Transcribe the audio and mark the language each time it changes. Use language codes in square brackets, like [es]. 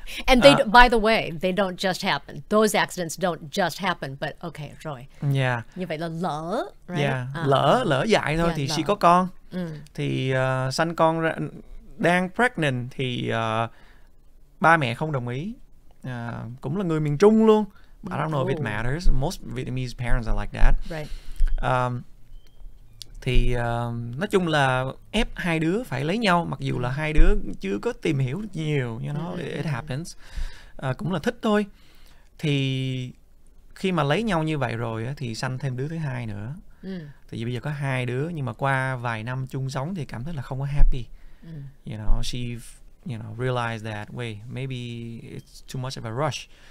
[en] And they by the way, they don't just happen. Those accidents don't just happen, but okay, rồi. Yeah. [vi] Như vậy là lỡ, right? [en] Yeah. [vi] Lỡ dại thôi, yeah, thì she có con. Mm. Thì sanh con ra, đang pregnant thì ba mẹ không đồng ý. Cũng là người miền Trung luôn. [en] I don't know if it matters. Most Vietnamese parents are like that. Right. [vi] Thì nói chung là ép hai đứa phải lấy nhau, mặc dù là hai đứa chưa có tìm hiểu nhiều, [en] you know, it happens. [vi] Cũng là thích thôi. Thì khi mà lấy nhau như vậy rồi thì sanh thêm đứa thứ hai nữa. Tại vì bây giờ có hai đứa, nhưng mà qua vài năm chung sống thì cảm thấy là không có happy. [en] You know, she, you know, realized that, wait, maybe it's too much of a rush.